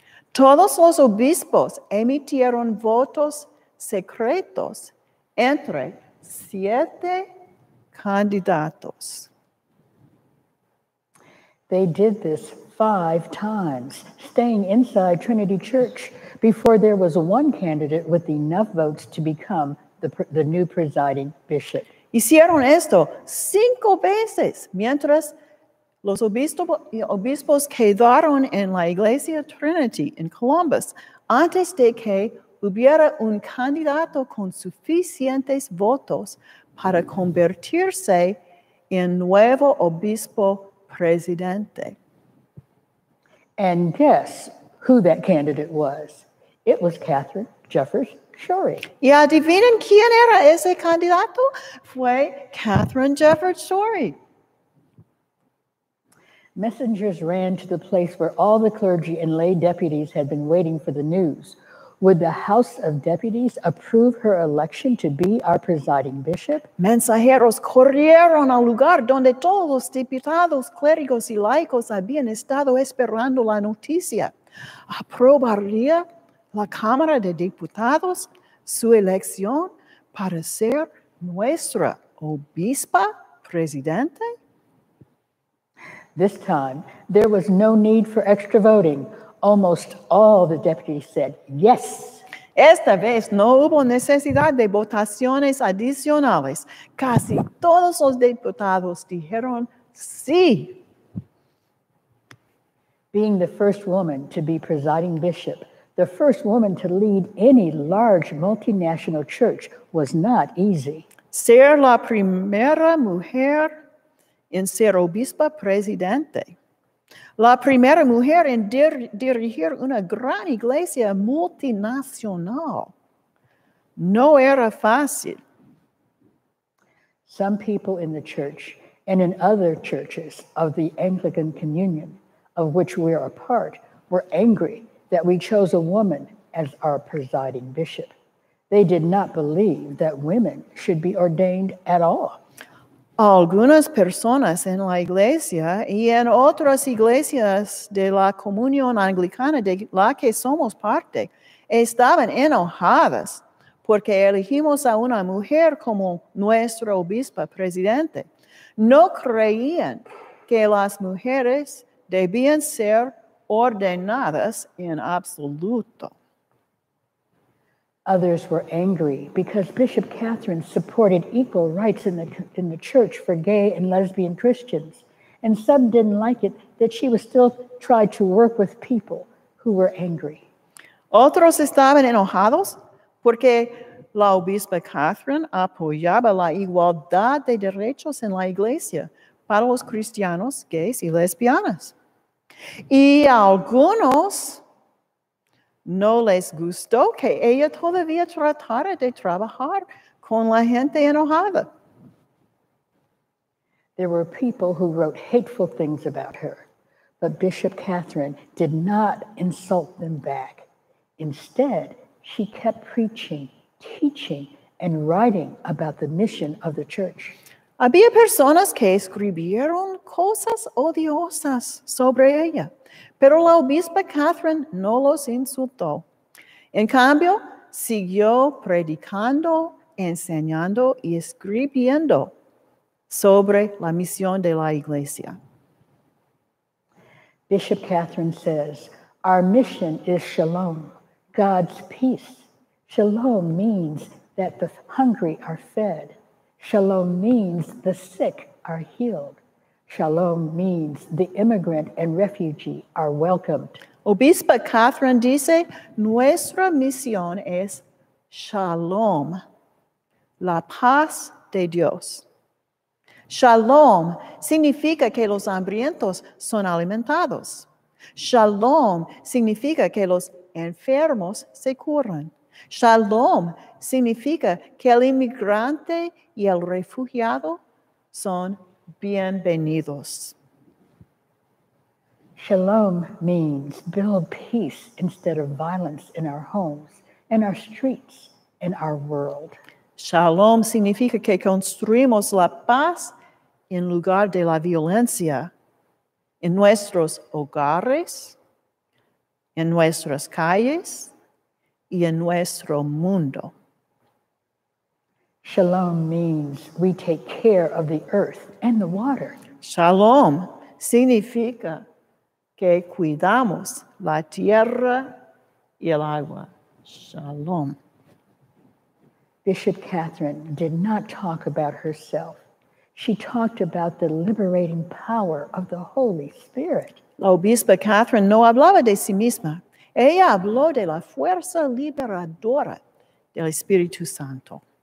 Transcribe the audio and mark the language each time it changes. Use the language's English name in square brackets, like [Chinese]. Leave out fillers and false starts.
[Spanish] Todos los obispos emitieron votos secretos entre 7 candidatos. [English] They did this 5 times, staying inside Trinity Church before there was one candidate with enough votes to become the new presiding bishop. [Spanish] Hicieron esto 5 veces mientras los obispos quedaron en la Iglesia Trinity en Columbus antes de que hubiera un candidato con suficientes votos para convertirse en nuevo obispo presidente. [English] And guess who that candidate was? It was Katharine Jefferts Schori. [Spanish] ¿Y adivinen quién era ese candidato? Fue Katharine Jefferts Schori. [English] Messengers ran to the place where all the clergy and lay deputies had been waiting for the news. Would the House of Deputies approve her election to be our presiding bishop? [Spanish] Mensajeros corrieron al lugar donde todos los diputados, clérigos y laicos habían estado esperando la noticia. ¿Aprobaría la Cámara de Diputados su elección para ser nuestra obispa presidente? [English] This time, there was no need for extra voting. Almost all the deputies said yes. [Spanish] Esta vez no hubo necesidad de votaciones adicionales. Casi todos los diputados dijeron sí. [English] Being the first woman to be presiding bishop, the first woman to lead any large multinational church was not easy. [Spanish] Ser la primera mujer en ser obispa presidente. La primera mujer en dirigir una gran iglesia multinacional. No era fácil. [English] Some people in the church and in other churches of the Anglican Communion, of which we are a part, were angry that we chose a woman as our presiding bishop. They did not believe that women should be ordained at all. [Spanish] Algunas personas en la iglesia y en otras iglesias de la comunión anglicana de la que somos parte estaban enojadas porque elegimos a una mujer como nuestra obispa presidente. No creían que las mujeres debían ser ordenadas en absoluto. [English] Others were angry because Bishop Katharine supported equal rights in the church for gay and lesbian Christians. And some didn't like it that she was still trying to work with people who were angry. [Spanish] Otros estaban enojados porque la obispa Katharine apoyaba la igualdad de derechos en la iglesia para los cristianos gays y lesbianas. Y algunos no les gustó que ella todavía tratara de trabajar con la gente enojada. [English] There were people who wrote hateful things about her, but Bishop Katharine did not insult them back. Instead, she kept preaching, teaching, and writing about the mission of the church. [Spanish] Había personas que escribieron cosas odiosas sobre ella, pero la obispa Katharine no los insultó. En cambio, siguió predicando, enseñando y escribiendo sobre la misión de la iglesia. [English] Bishop Katharine says, "Our mission is shalom, God's peace. Shalom means that the hungry are fed. Shalom means the sick are healed. Shalom means the immigrant and refugee are welcomed." [Spanish] Obispa Katharine dice, "Nuestra misión es shalom, la paz de Dios. Shalom significa que los hambrientos son alimentados. Shalom significa que los enfermos se curan. Shalom significa que el inmigrante y el refugiado son bienvenidos. [English] Shalom means build peace instead of violence in our homes, in our streets, in our world. [Spanish] Shalom significa que construimos la paz en lugar de la violencia en nuestros hogares, en nuestras calles, y en nuestro mundo. [English] Shalom means we take care of the earth and the water. [Spanish] Shalom significa que cuidamos la tierra y el agua. [Hebrew] Shalom. [English] Bishop Katharine did not talk about herself. She talked about the liberating power of the Holy Spirit. [Spanish] La obispa Katharine no hablaba de sí misma. Ella habló de la fuerza liberadora del Espíritu Santo.